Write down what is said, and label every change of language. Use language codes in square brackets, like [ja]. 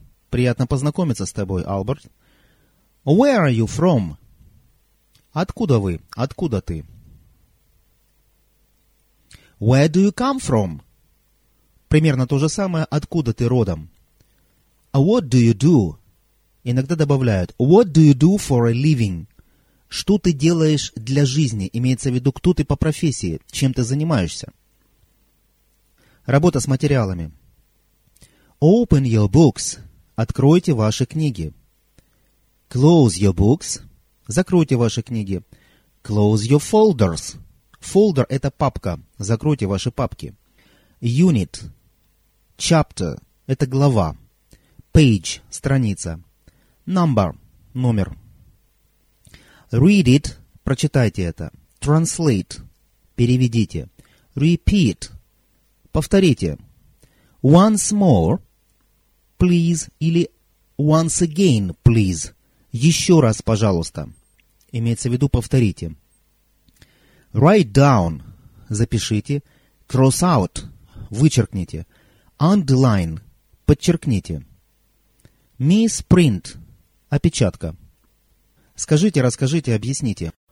[ru] Приятно познакомиться с тобой, Альберт. [en] Where are you from? [ru] Откуда вы? Откуда ты? [en] Where do you come from? [ru] Примерно то же самое, откуда ты родом. [en] What do you do? [ru] Иногда добавляют, [en] what do you do for a living? [ru] Что ты делаешь для жизни? Имеется в виду, кто ты по профессии, чем ты занимаешься? Работа с материалами. [en] Open your books. [ru] Откройте ваши книги. [en] Close your books. [ru] Закройте ваши книги. [en] Close your folders. [ru] Folder – это папка. Закройте ваши папки. [en] Unit. [ru] Chapter – это глава. Page – страница. Number – номер. [en] Read it. [ru] Прочитайте это. [en] Translate. [ru] Переведите. [en] Repeat. [ru] Повторите. [en] Once more. Please. [ru] Или [en] once again, please. [ru] Еще раз, пожалуйста. Имеется в виду, повторите. [en] Write down. [ru] Запишите. [en] Cross out. [ru] Вычеркните. [en] Underline. [ru] Подчеркните. [en] Misprint. [ru] Опечатка. Скажите, расскажите, объясните.